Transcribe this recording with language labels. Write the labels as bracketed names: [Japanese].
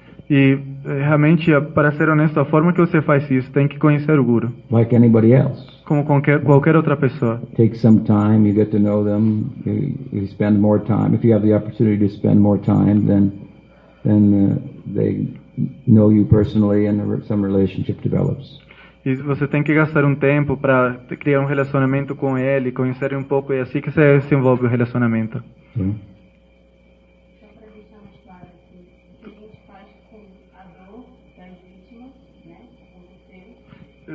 [Portuguese] E realmente, para ser honesto, a forma que você faz isso tem que conhecer o guru. [English] Like anybody else. [Portuguese] Como qualquer outra pessoa. [English] Take some time, you get to know them. You spend more time. If you have the opportunity to spend more time, then they know you personally, and some relationship develops. [Portuguese] E você tem que gastar tempo para criar relacionamento com ele, conhecer um pouco, e assim que você desenvolve o relacionamento. Só para deixar mais claro aqui, o que a gente faz com a dor das vítimas, né?